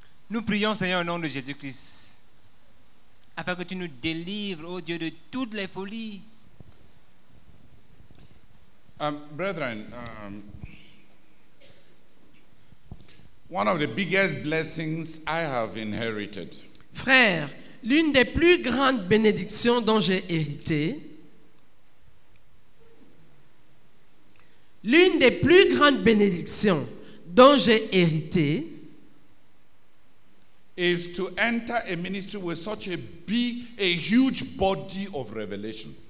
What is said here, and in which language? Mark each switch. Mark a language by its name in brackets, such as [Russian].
[French] Nous prions, Seigneur, au nom de Jésus-Christ, afin que tu nous délivres, ô Dieu, de toutes les folies. [English] Brethren, one of the biggest blessings I have inherited. [French] Frère, l'une des plus grandes bénédictions dont j'ai hérité. L'une des plus grandes bénédictions dont j'ai hérité. [English] Is to enter a ministry with such a big, a huge body of revelation.